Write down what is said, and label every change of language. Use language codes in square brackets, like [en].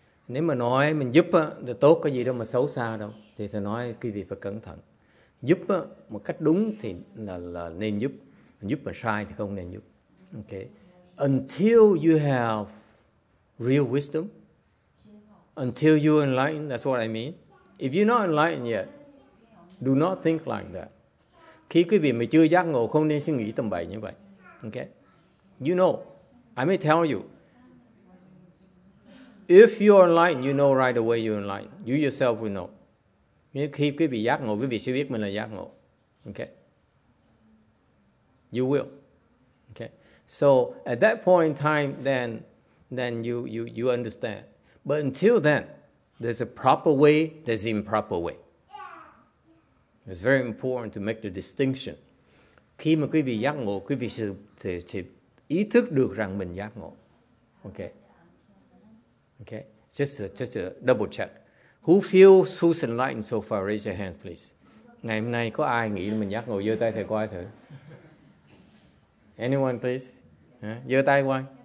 [vi] Nếu mà nói mình giúp á, thì tốt cái gì đâu mà xấu xa đâu. Thì thầy nói quý vị phải cẩn thận. Giúp á, một cách đúng thì là nên giúp. Giúp mà sai thì không nên giúp. [en] Okay. Until you have real wisdom, until you're enlightened, that's what I mean. If you're not enlightened yet, do not think like that. [vi] Khi quý vị mà chưa giác ngộ, không nên suy nghĩ tầm bậy như vậy. [en] Okay. You know, I may tell you, if you're enlightened, you know right away you're enlightened. You yourself will know. [vi] Nếu khi quý vị giác ngộ, quý vị sẽ biết mình là giác ngộ. [en] Okay. You will. Okay. So at that point in time, then you understand. But until then, there's a proper way, there's an improper way. It's very important to make the distinction. [vi] Khi mà quý vị giác ngộ, quý vị sẽ ý thức được rằng mình giác ngộ. [en] Okay. Okay. Just a double check. Who feels so enlightened so far? Raise your hand, please. [vi] Ngày hôm nay có ai nghĩ mình giác ngộ? Giơ tay thầy coi thử. [en] Anyone, please? [vi] Giơ tay coi.